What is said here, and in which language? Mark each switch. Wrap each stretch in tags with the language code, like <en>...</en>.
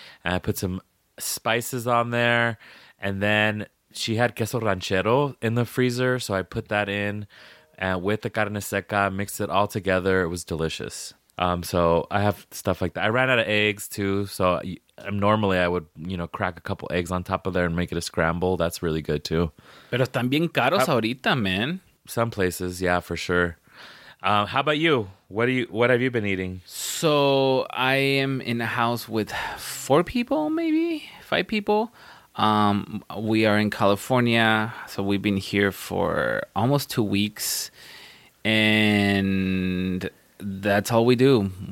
<en>And I put some spices on there. And then she had queso ranchero in the freezer, so I put that in and with the carne seca, mixed it all together. It was delicious. So I have stuff like that. I ran out of eggs, too, so normally I would, you know, crack a couple eggs on top of there and make it a scramble. That's really good, too.</en> <es>Pero están bien caros ahorita, man.</es> <en>Some places, yeah, for sure. How about you? What have you been eating? So I am in a house with four people, maybe? Five people? We are in California, so we've been here for almost 2 weeks, and that's all we do.</en>